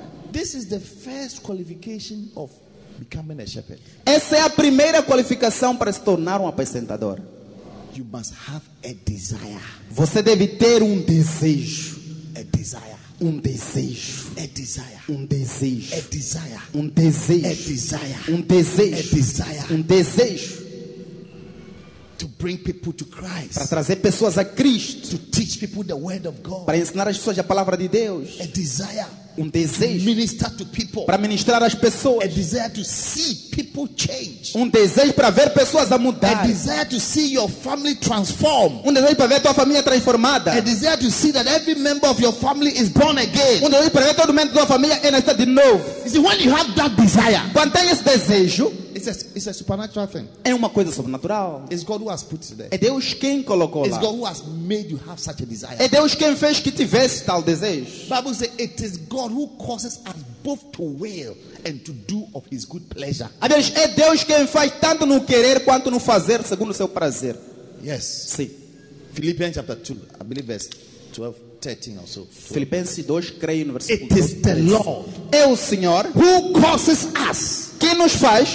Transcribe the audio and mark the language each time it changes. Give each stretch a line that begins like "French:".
English: This is the first qualification of becoming a shepherd.
Portuguese: Essa é a primeira qualificação para se tornar um apacentador.
English: You must have a desire.
Portuguese: Você deve ter um desejo.
English: A desire.
Portuguese: Um desejo.
English: A desire.
Portuguese: Um desejo.
English: A desire.
Portuguese: Um desejo.
English: A desire.
Portuguese: Um desejo.
English: A desire.
Portuguese: Um desejo.
English: To bring people to Christ.
Portuguese: Para trazer pessoas a Cristo.
English: To teach people the word of God.
Portuguese: Para ensinar as pessoas a palavra de Deus.
English: A desire.
Portuguese: Desejo
English: minister to people,
Portuguese: para ministrar as pessoas.
English: A desire to see people change,
Portuguese: desejo para ver pessoas a mudar.
English: A desire to see your family transform,
Portuguese: desejo para ver tua família transformada.
English: A desire to see that every member of your family is born again,
Portuguese: desejo para ver todo membro da família é nascido de novo.
English: You see, when you have that desire,
Portuguese: quando tem esse desejo,
English: it's a supernatural thing.
Portuguese: É uma coisa sobrenatural.
English: It's God who has put it there.
Portuguese: É Deus quem colocou lá.
English: It's God who has made you have such a desire.
Portuguese: É Deus quem fez que tivesse tal desejo.
English: Bible says it is God who causes us both to will and to do of His good pleasure.
Portuguese: É Deus quem faz tanto no querer quanto no fazer segundo o seu prazer.
English: Yes.
Portuguese: Sim.
English: Philippians chapter 2, I believe verse 12:13 or so.
Portuguese: Filipenses 2, creio no versículo
English: 12. It is the Lord.
Portuguese: É o Senhor
English: who causes us.
Portuguese: Que nos faz